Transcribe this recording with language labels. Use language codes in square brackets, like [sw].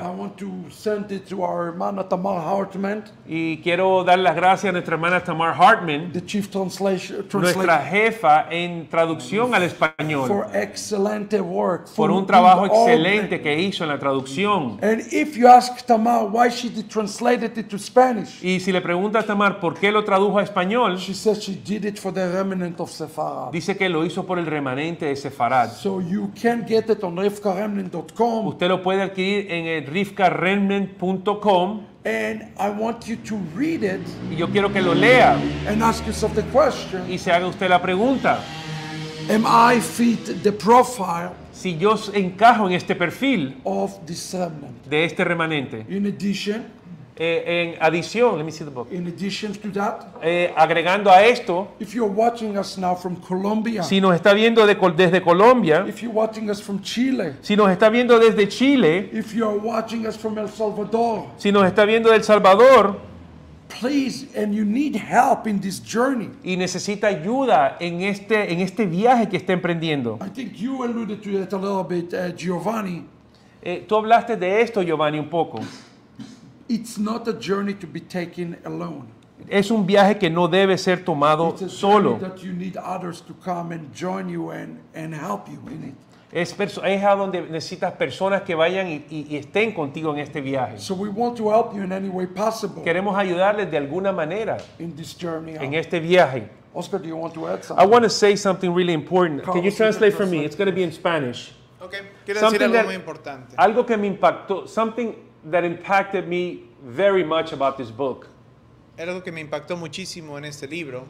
[en] I want to send it to our hermana Tamar Hartman. [es] Y quiero dar las gracias a nuestra hermana Tamar Hartman, [en] the chief translator, [es] nuestra jefa en traducción al español, [en] for excellent work, [es] por un trabajo excelente que hizo en la traducción. [en] And if you ask Tamar why she did translated it to Spanish, [es] y si le preguntas a Tamar por qué lo tradujo a español, [en] she says she did it for the remnant of Sepharad. [es] Dice que lo hizo por el remanente de Sepharad. [en] So you can get it on Rivka Remnant. [es] Usted lo puede adquirir en el rivkaremnant.com. [en] And I want you to read it. [es] Y yo quiero que lo lea. [en] And ask yourself the question. [es] Y se haga usted la pregunta. [en] Am I fit the profile? [es] Si yo encajo en este perfil. [en] Of this remnant. [es] De este remanente. [en] In addition. [es] En adición. [en] Let me see the book. In addition to that. [es] Agregando a esto. [en] If you're watching us now from Colombia. [es] Si nos está viendo desde Colombia. [en] If you're watching us from Chile. [es] Si nos está viendo desde Chile. [en] If you're watching us from El Salvador. [es] Si nos está viendo del Salvador. [en] Please, and you need help in this journey. [es] Y necesita ayuda en este viaje que está emprendiendo. [en] I think you alluded to it a little bit, Giovanni. [es] Tú hablaste de esto, Giovanni, un poco. [en] It's not a journey to be taken alone. [es] Es un viaje que no debe ser tomado solo. [en] That you need others to come and join you and help you in it. [es] Es a donde necesitas personas que vayan y estén contigo en este viaje. [en] So we want to help you in any way possible. [es] Queremos ayudarles de alguna manera [en] in this journey. [es] En este viaje. [en] Oscar, do you want to add something? I want to say something really important. Carlos, can you translate for me? It's going to be in Spanish. [es] Okay. Quiero something decir algo muy importante. Algo que me impactó, [en] something that impacted me very much about this book. [es] Algo que me impactó muchísimo en este libro.